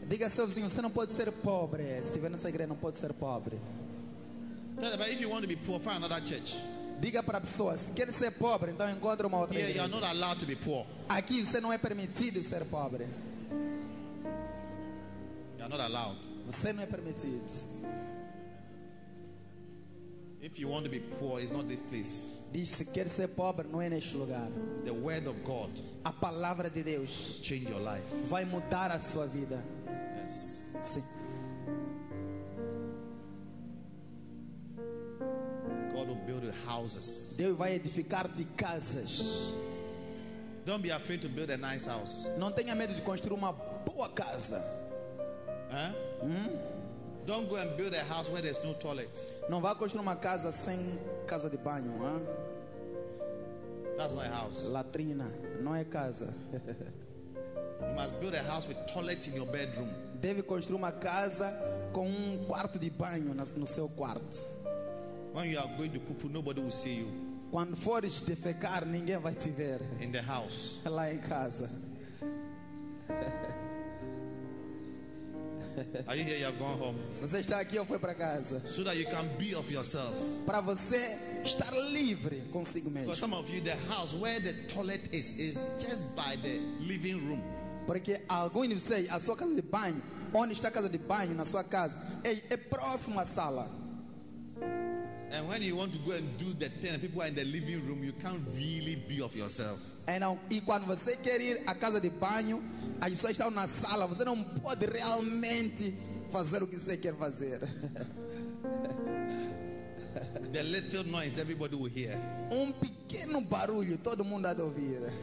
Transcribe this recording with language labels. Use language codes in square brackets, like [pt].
[pt] Diga seu vizinho, você não pode ser pobre. Se estiver nessa igreja, não pode ser pobre. [en] Tell your neighbor if you want to be poor, find another church. [pt] Diga para pessoas, quer ser pobre, então encontre uma outra [en] here, [pt] igreja. [en] You are not allowed to be poor. [pt] Aqui você não é permitido ser pobre. [en] You are not allowed. [pt] Você não é permitido. [en] If you want to be poor, it's not this place. [pt] Diz, se quer ser pobre, não é neste lugar. [en] The word of God. [pt] A palavra de Deus. [en] Change your life. [pt] Vai mudar a sua vida. [en] Yes. [pt] Sim. [en] God will build houses. [pt] Deus vai edificar-te casas. [en] Don't be afraid to build a nice house. [pt] Não tenha medo de construir uma boa casa. Hein? [en] Don't go and build a house where there's no toilet. [pt] Não vá construir uma casa sem casa de banho, huh? [en] That's not a house. [pt] Latrina, não é casa. [en] You must build a house with toilet in your bedroom. [pt] Deve construir uma casa com quarto de banho no seu quarto. [en] When you are going to poop, nobody will see you. [pt] Quando fores defecar, ninguém vai te ver. [en] In the house. [pt] Lá em casa. [en] Are you here? You have gone home. [pt] Você está aqui ou foi para casa? [en] So that you can be of yourself. [pt] Para você estar livre consigo mesmo. [en] For some of you, the house where the toilet is just by the living room. [pt] Porque alguns dizem a sua casa de banho, onde está a casa de banho na sua casa, é próximo à sala. [en] And when you want to go and do the thing, people are in the living room. You can't really be of yourself. [pt] E quando você quer ir à casa de banho, as pessoas estão na sala, você não pode realmente fazer o que você quer fazer. [en] The little noise everybody will hear. [pt] Pequeno barulho todo mundo há de ouvir.